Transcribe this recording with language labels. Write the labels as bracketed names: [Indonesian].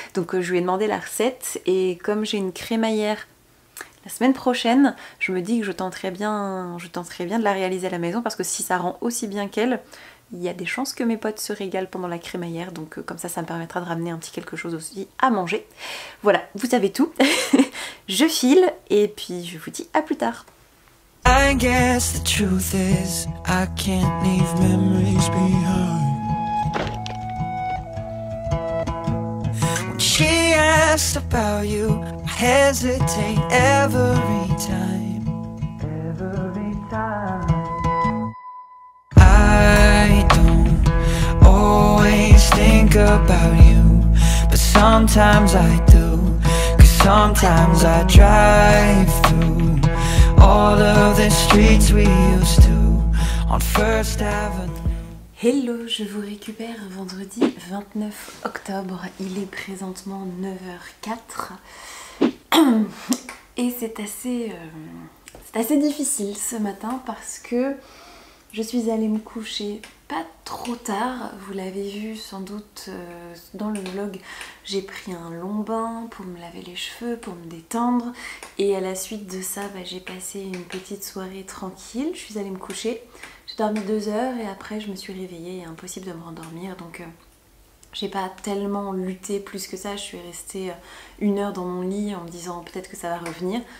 [French] Donc je lui ai demandé la recette, et comme j'ai une crémaillère la semaine prochaine, je me dis que je tenterai bien de la réaliser à la maison, parce que si ça rend aussi bien qu'elle, il y a des chances que mes potes se régalent pendant la crémaillère, donc comme ça me permettra de ramener un petit quelque chose aussi à manger. Voilà, vous savez tout. Je file et puis je vous dis à plus tard. [English] I guess the truth is I can't leave memories behind. She asked about you. Hesitate every time. Every time. I don't always think about you, but sometimes I do. 'Cause sometimes I drive through all of the streets we used to on First Avenue. [French] Hello, je vous récupère vendredi 29 octobre. Il est présentement 9h04. Et c'est assez difficile ce matin, parce que Je suis allée me coucher pas trop tard, vous l'avez vu sans doute dans le vlog, j'ai pris un long bain pour me laver les cheveux, pour me détendre, et à la suite de ça, bah, j'ai passé une petite soirée tranquille, je suis allée me coucher, j'ai dormi 2 heures et après je me suis réveillée, et impossible de me rendormir, donc j'ai pas tellement lutté plus que ça, je suis restée 1 heure dans mon lit en me disant peut-être que ça va revenir.